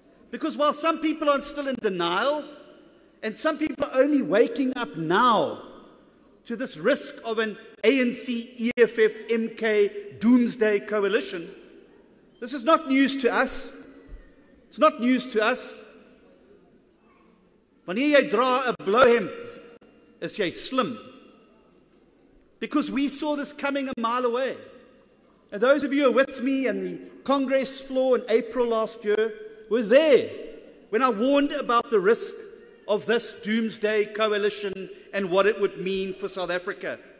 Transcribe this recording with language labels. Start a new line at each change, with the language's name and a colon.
English: Because while some people are still in denial, and some people are only waking up now to this risk of an ANC, EFF, MK, doomsday coalition, this is not news to us. It's not news to us.
Afrikaans: Wanneer jy dra 'n blouhemp, is jy slim.
English: Because we saw this coming a mile away. And those of you who are with me in the Congress floor in April last year were there when I warned about the risk of this doomsday coalition and what it would mean for South Africa.